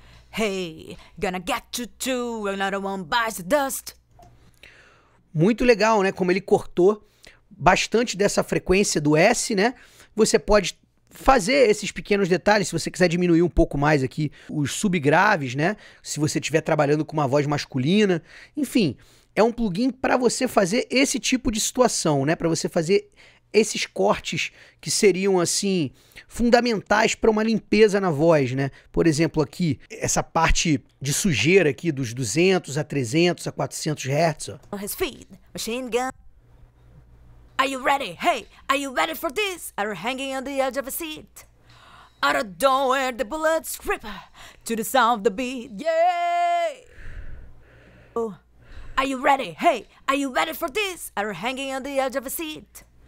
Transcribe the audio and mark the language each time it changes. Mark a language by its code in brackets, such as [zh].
[en] Hey, gonna get you too, another one buys the dust. [pt] Muito legal, né? Como ele cortou bastante dessa frequência do S, né? Você pode fazer esses pequenos detalhes, se você quiser diminuir um pouco mais aqui os subgraves, né? Se você estiver trabalhando com uma voz masculina, enfim, é um plugin para você fazer esse tipo de situação, né? Para você fazer esses cortes que seriam, assim, fundamentais para uma limpeza na voz, né? Por exemplo, aqui, essa parte de sujeira aqui dos 200 a 300 a 400 Hz, ó. [en] On his feet, machine gun. Are you ready? Hey, are you ready for this? Are you hanging on the edge of a seat? Out of nowhere, the bullets rip to the sound of the beat. Yay! Oh. Are you ready? Hey, are you ready for this? Are you hanging on the edge of a seat?